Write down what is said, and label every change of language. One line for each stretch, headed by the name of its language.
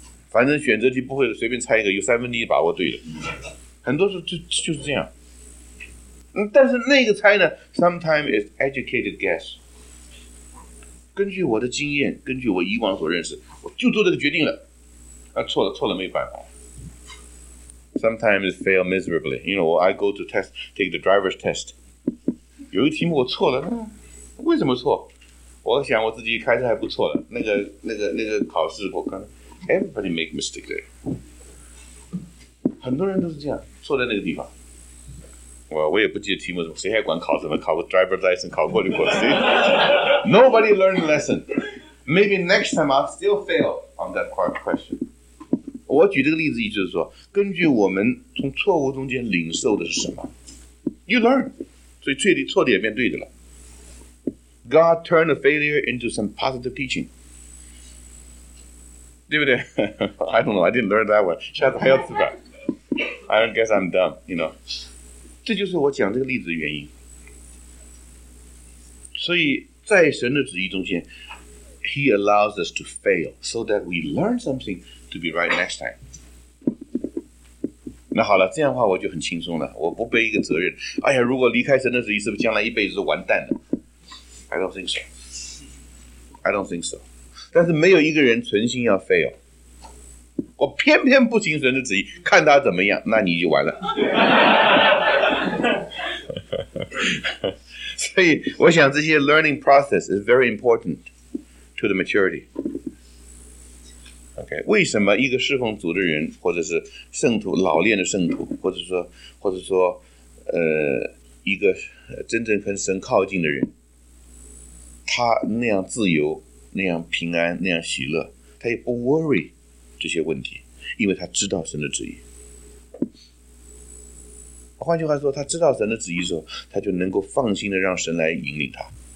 Chinese: 反正选择题不会随便猜一个，有三分之一把握对的，很多时候就是这样。但是那个猜呢 ，
English: sometimes is educated guess。
Chinese: 根据我的经验，根据我以往所认识，我就做这个决定了。啊，错了，错了，没办法。
English: Sometimes fail miserably. You know, I go to test, take the driver's test.
Chinese: 有一题目我错了，为什么错？我想我自己开车还不错了。那个考试，我刚
English: everybody make mistake there.
Chinese: 很多人都是这样，错在那个地方。我也不记得题目，谁还管考什么？考个 driver's license 考过就过了。
English: Nobody learned the lesson. Maybe next time I'll still fail on that part question.
Chinese: 我举这个例子，也就是说，根据我们从错误中间领受的是什么 ，
English: you learn，
Chinese: 所以错的也变对的了。
English: God turned a failure into some positive teaching，
Chinese: 对不对？
English: I don't know, I didn't learn that one.
Chinese: 下次还要自反。
English: I guess I'm dumb, you know。
Chinese: 这就是我讲这个例子的原因。所以在神的旨意中间
English: ，He allows us to fail so that we learn something。To be right next time.
Chinese: 那好了，这样的话我就很轻松了，我不背一个责任。哎呀，如果离开神的旨意，是不是将来一辈子就完蛋了？
English: I don't think so. I don't think so.
Chinese: 但是没有一个人存心要 fail. 我偏偏不听神的旨意，看他怎么样，那你就完了。所以我想这些
English: learning process is very important to the maturity.
Chinese: Okay, 为什么一个侍奉主的人或者是圣徒老练的圣徒或者说一个真正跟神靠近的人他那样自由那样平安那样喜乐他也不 worry 这些问题因为他知道神的旨意换句话说他知道神的旨意的时候他就能够放心的让神来引领他